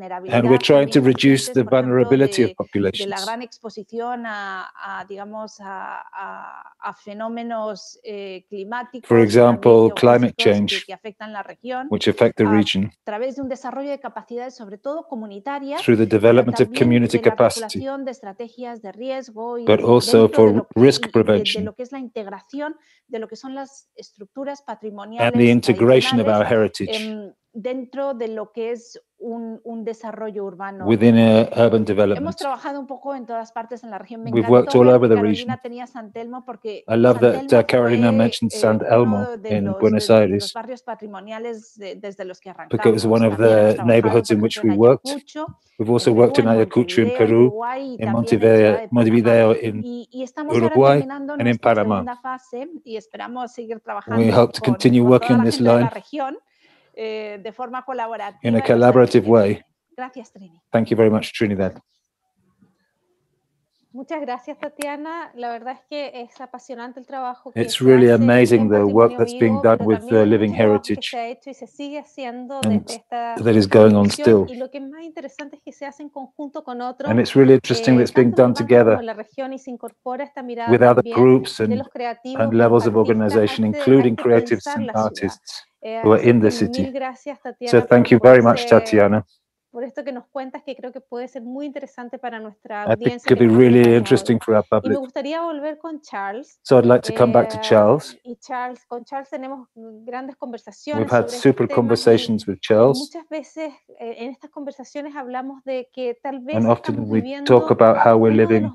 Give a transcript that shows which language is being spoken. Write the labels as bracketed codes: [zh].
[en] And we're trying to reduce the vulnerability of populations. [es] De la gran exposición a digamos a fenómenos climáticos. [en] For example, climate change, which affect the region. [es] A través de un desarrollo de capacidades, sobre todo comunitarias. [en] Through the development of community capacity. But also for risk prevention. [es] De lo que es la integración de lo que son las estructuras patrimoniales. [en] And the integration of our heritage. [es] Dentro de lo que es un desarrollo urbano. [en] Within urban development. [es] Hemos trabajado un poco en todas partes en la región. [en] We've worked all over the region. [es] Tenía San Telmo porque [en] I love San Telmo that Carolina mentioned San Elmo in Buenos Aires. [es] Los barrios patrimoniales desde los que arrancamos. [en] Because it was one of the neighborhoods in which we worked. We've also worked in Ayacucho in Peru, in Montevideo in Uruguay, and in Panama. [es] Y esperamos seguir trabajando. [en] We hope to continue working on this line. [es] De forma colaborativa. [en] In a collaborative way. [es] Gracias, Trini. [en] Thank you very much, Trinidad. [es] Muchas gracias, Tatiana. La verdad es que es apasionante el trabajo. [en] It's really amazing the work that's being done with the Living Heritage. [es] Se ha hecho y se sigue haciendo desde esta. [en] That is going on still. [es] Y lo que es más interesante es que se hace en conjunto con otros. [en] And it's really interesting that it's being done together. [es] Con la región y se incorpora esta mirada. [en] With other groups and levels of organization, including creatives and artists. Who are in the city. [es] Gracias, Tatiana, [en] so thank you very much, Tatiana. [es] Por esto que nos cuentas, que creo que puede ser muy interesante para nuestra audiencia. [en] I think it could be really interesting for our public. [es] Y me gustaría volver con Charles. [en] So I'd like to come back to Charles. [es] Y Charles, con Charles tenemos grandes conversaciones. [en] We've had super conversations with Charles. [es] Muchas veces en estas conversaciones hablamos de que tal vez. [en] And often we talk about how we're living.